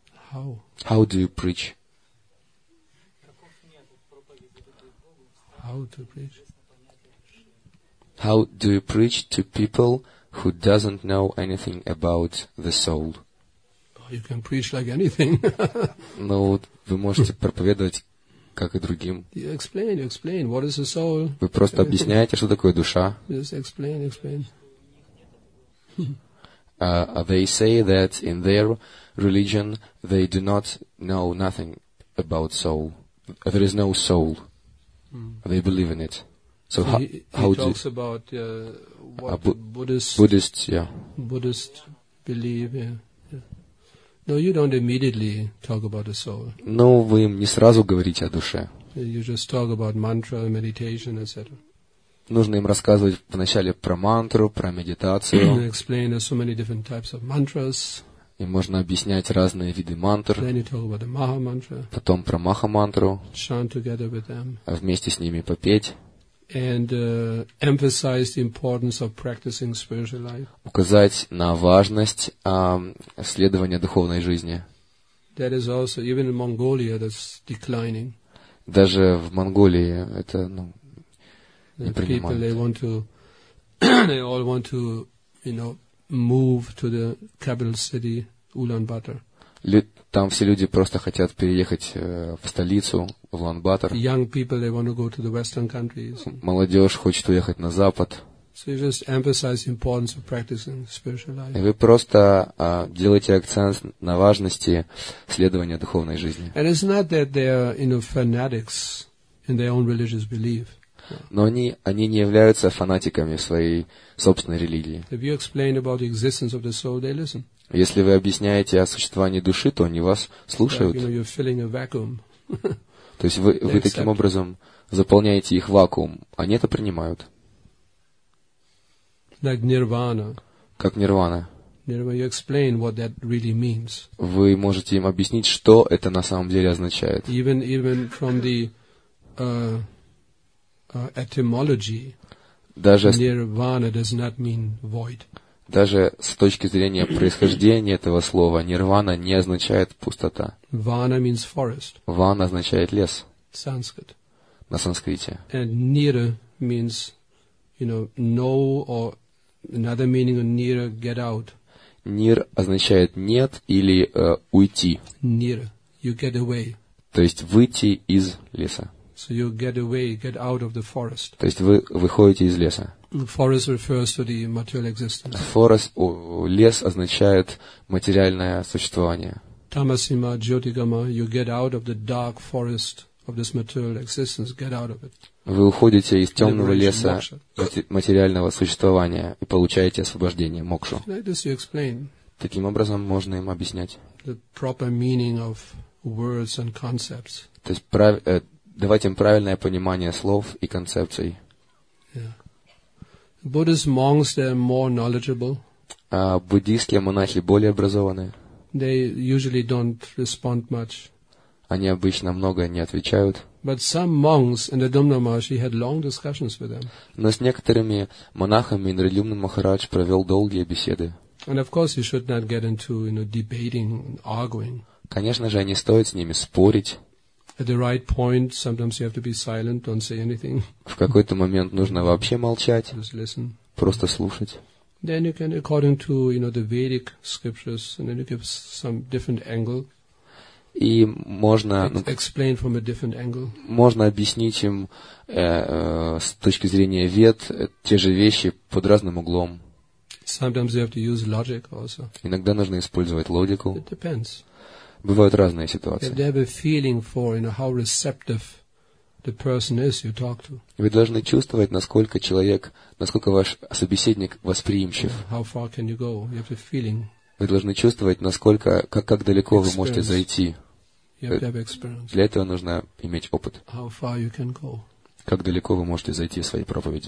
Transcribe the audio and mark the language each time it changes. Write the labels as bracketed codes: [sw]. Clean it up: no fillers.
[en] How? How do you preach? How to preach? How do you preach to people who doesn't know anything about the soul? You can preach like anything. [ru] Но вы можете проповедовать как и другим. [en] You explain, you explain. What is the soul? [ru] Вы просто объясняете, что такое душа. [en] Just explain, explain. They say that in their religion they do not know nothing about soul. There is no soul. Mm. They believe in it. So he talks about what Buddhist believe. Yeah. No, you don't immediately talk about the soul. [ru] Но вы не сразу говорите о душе. [en] You just talk about mantra, meditation, etc. [ru] Нужно им рассказывать вначале про мантру, про медитацию. [en] And explain there's so many different types of mantras. [ru] И можно объяснять разные виды мантр. [en] Then you talk about the Maha mantra. [ru] Потом про Маха мантру. [en] Chant together with them. [ru] А вместе с ними попеть. [en] And emphasize the importance of practicing spiritual life. [ru] Указать на важность следования духовной жизни. [en] That is also even in Mongolia that's declining. [ru] Даже в Монголии это не принимают. [en] People they want to they all want to move to the capital city Ulaanbaatar. [ru] Там все люди просто хотят переехать в столицу, в Улан-Батор. [en] Young people, they want to go to the Western countries. [ru] Молодежь хочет уехать на Запад. [en] So you just emphasize the importance of practicing spiritual life. [ru] И вы просто делаете акцент на важности следования духовной жизни. [en] And it's not that they are fanatics in their own religious belief. [ru] Но они не являются фанатиками своей собственной религии. [en] If you explain about the existence of the soul, they listen. [ru] Если вы объясняете о существовании души, то они вас слушают. [en] Like, you're filling a vacuum. [ru] То есть вы таким образом заполняете их вакуум. Они это принимают. [en] Like nirvana. [ru] Как нирвана. [en] Nirvana, you explain what that really means. [ru] Вы можете им объяснить, что это на самом деле означает. [en] Even from the etymology, nirvana does not mean void. [ru] Даже с точки зрения происхождения этого слова, нирвана не означает пустота. [en] Vana means forest. [ru] Vana означает лес. [en] Sanskrit. [ru] На санскрите. [en] And nira means, no or another meaning of nira, get out. [ru] Нир означает нет или уйти. [en] Nira, you get away. [ru] То есть выйти из леса. [en] So you get away, get out of the forest. [ru] То есть вы выходите из леса. [en] Forest refers to the material existence. [ru] Лес означает материальное существование. [en] Tamasima, jyotigama, you get out of the dark forest of this material existence, get out of it. [ru] Вы уходите из темного леса материального существования и получаете освобождение, мокшу. [en] Like this you explain. [ru] Таким образом можно им объяснять. [en] The proper meaning of words and concepts. [ru] То есть давать им правильное понимание слов и концепций. [en] Yeah. Buddhist monks, they're more knowledgeable. [ru] Буддийские монахи более образованные. [en] They usually don't respond much. [ru] Они обычно много не отвечают. [en] But some monks in the Dumna Maharshi had long discussions with them. [ru] Но с некоторыми монахами Индралюмна Махарадж провел долгие беседы. [en] And of course, you should not get into debating and arguing. [ru] Конечно же, не стоит с ними спорить. [en] At the right point, sometimes you have to be silent, don't say anything. [ru] В какой-то момент нужно вообще молчать. [en] Just listen. [ru] Просто слушать. [en] Then you can, according to the Vedic scriptures, and then you give some different angle. [ru] И можно. [en] Explain from a different angle. [ru] Можно объяснить им с точки зрения Вед те же вещи под разным углом. [en] Sometimes you have to use logic also. [ru] Иногда нужно использовать логику. [en] It depends. [ru] Бывают разные ситуации. [en] If they have a feeling for, how receptive the person is you talk to. [ru] Вы должны чувствовать, насколько человек, насколько ваш собеседник восприимчив. [en] How far can you go? You have a feeling. [ru] Вы должны чувствовать, насколько, как далеко вы можете зайти. [en] You have to have experience. [ru] Для этого нужно иметь опыт. [en] How far you can go? [ru] Как далеко вы можете зайти в своей проповеди?